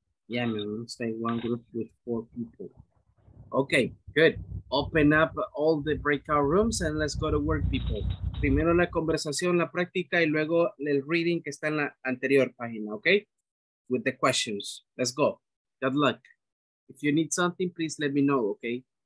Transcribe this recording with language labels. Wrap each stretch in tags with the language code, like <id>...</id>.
<en>Yeah, man, let's say one group with four people. Okay, good. Open up all the breakout rooms and let's go to work, people.</en> <es>Primero la conversación, la práctica, y luego el reading que está en la anterior página, okay?</es> <en>With the questions. Let's go. Good luck. If you need something, please let me know, okay?</en>